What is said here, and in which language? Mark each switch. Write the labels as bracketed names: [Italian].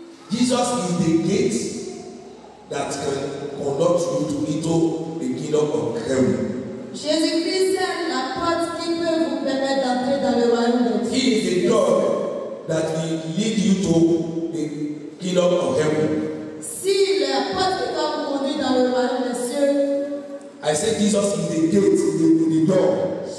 [English] Jesus is the gate that can conduct you to into the kingdom of heaven. [French] Jésus-Christ est la porte qui peut vous permettre d'entrer dans le royaume de Dieu. [English] He is the door that will lead you to the kingdom of heaven. [French] Si la porte qui va vous conduire dans le royaume de Dieu. [English] I say Jesus is the gate, the door.